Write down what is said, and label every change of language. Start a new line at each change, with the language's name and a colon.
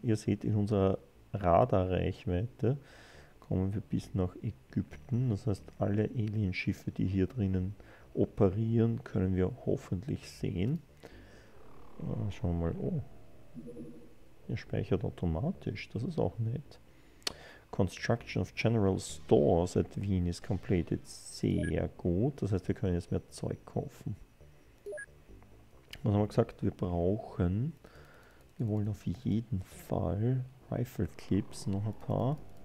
German: Ihr seht, in unserer Radarreichweite kommen wir bis nach Ägypten. Das heißt, alle Alienschiffe, die hier drinnen operieren, können wir hoffentlich sehen. Schauen wir mal. Oh. Er speichert automatisch, das ist auch nett.
English: Construction of General Stores at Wien is completed.
German: Sehr gut, das heißt, wir können jetzt mehr Zeug kaufen. Was haben wir gesagt? Wir wollen auf jeden Fall Rifle Clips noch ein paar.